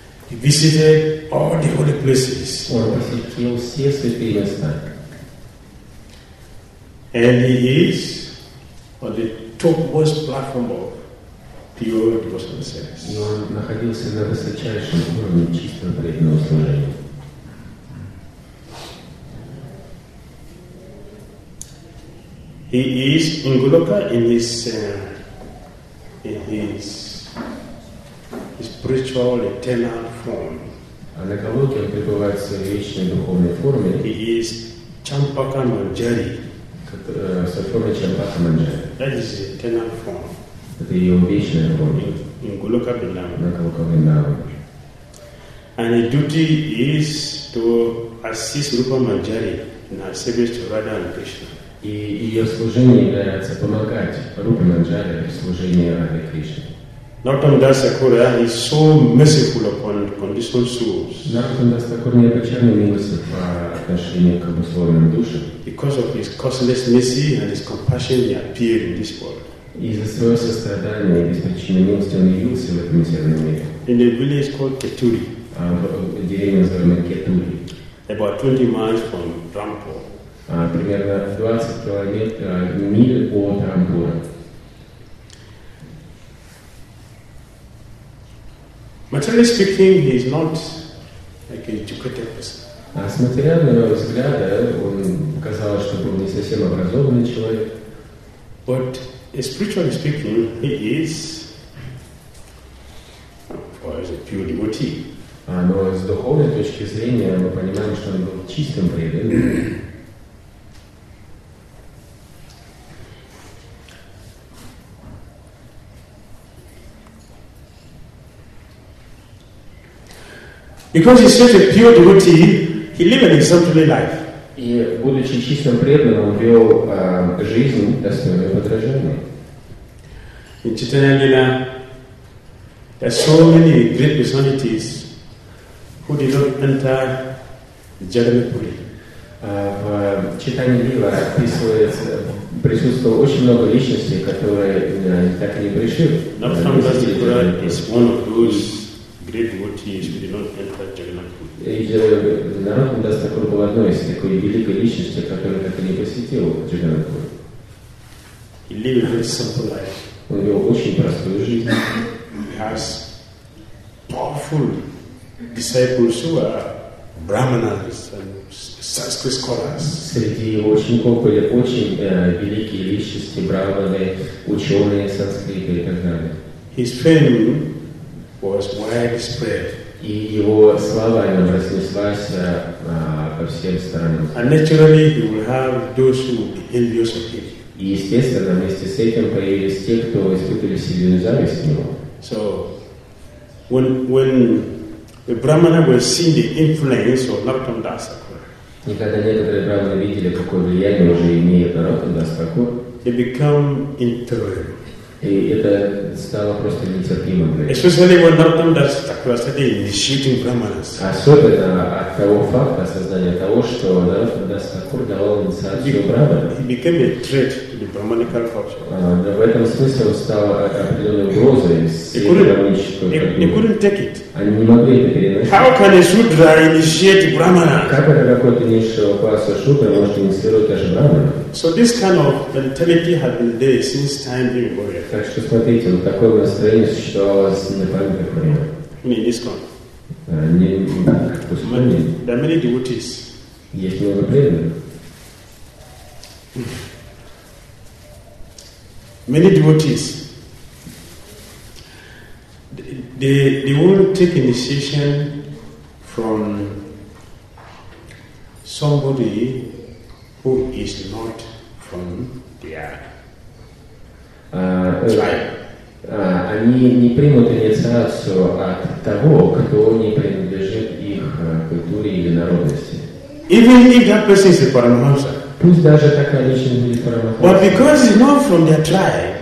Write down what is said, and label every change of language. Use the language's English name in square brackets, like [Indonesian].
[English] Visited all the holy places. [Russian] Он посетил все святые места. [English] And he is on the topmost platform of pure devotional service. [Russian] Но он находился на высочайшем уровне чистого преданного служения. [English] He is in Goloka in his spiritual eternal form. [Russian] А на Голоке он пребывает в своей вечной духовной форме. [English] He is Champaka Manjari. [Russian] Со формой Champaka Manjari. [English] That is his eternal form. [Russian] Это его вечная форма. [English] In Goloka Vrindavan. [Russian] На Голоке Вриндаване. [English] And his duty is to assist Rupa Manjari in our service to Radha and Krishna. [Russian] И ее служение является помогать Рупе Манджаре в служении Радхе Кришне. [English] Narottam Das Thakura is so merciful upon conditioned souls. [Russian] Narottam Das Thakura необычайно милостив по отношению к обусловленным душам. [English] Because of his causeless mercy and his compassion, he appeared in this world. [Russian] Из-за своего сострадания и беспричинной милости он явился в этом мизерном мире. [English] In a village called Keturi. [Russian] Деревня называемая Кетури. [English] About 20 miles from Rampur. [Russian] Примерно 20 километров миль от Рампура. [English] Materially speaking, he is not like an educated person. [Russian] С материального взгляда он казалось, что был не совсем образованный человек. [English] But spiritually speaking, he is, or is a pure devotee. [Russian] Но с духовной точки зрения мы понимаем, что он был чистым преданным. [English] Because he's such a pure devotee, he lived an exemplary life. [Russian] И будучи чистым преданным, вел жизнь достойную подражания. [English] In Chaitanya Lila, there are so many great personalities who did not enter Jagannathpuri. [Russian] В Chaitanya Lila присутствовало очень много личностей, которые так и не пришли. [English] Narottam Das Thakura is one of those. Great devotees who did not enter Jagannathpuri. [Russian] Narottam Das Thakura был одной из такой великой личности, которая так и не посетила Jagannathpuri. [English] He lived a very simple life. [Russian] Он вел очень простую жизнь. [English] He has powerful disciples who are brahmanas and Sanskrit scholars. [Russian] Среди его учеников были очень великие личности, брахманы, ученые санскрита и так далее. [English] His fame was widespread. [Russian] И его слава разнеслась по всем странам. [English] And naturally, he will have those who were envious of him. [Russian] И естественно, вместе с этим появились те, кто испытывали сильную зависть к нему. [English] So, when the brahmana were seeing the influence of Narottam Das Thakura, [Russian] никогда некоторые брахманы видели, какое влияние уже имеет Narottam Das Thakura. [English] it became intolerable. [Russian] И это стало просто нетерпимым. [English] Especially when Nartam Das Thakura said in the shooting Brahmanas. [Russian] Особенно от того факта создания того, что Нартам Дас Такур давал инициацию Брахмана. [English] He became a threat to the Brahmanical culture. [Russian] В этом смысле он стал определенной угрозой всей Брахманической культуре. Они не могли это переносить. [English] How can a Shudra initiate Brahmana? [Russian] Как это какой-то низшего класса Шудра может инициировать даже Брахмана? [English] So this kind of mentality had been there since time immemorial. [Russian] Так что смотрите, вот такое настроение существовало с непамятных времен. Не искон. Не пустыни. [English] There are many devotees. [Russian] Есть много преданных. [English] Many devotees. They won't take initiation from somebody who is not from [Russian] Они не примут инициацию от того, кто не принадлежит их культуре или народности. [English] Even if that person is a paramahansa. [Russian] Пусть даже такая личность будет парамахамса. [English] But because he's not from their tribe.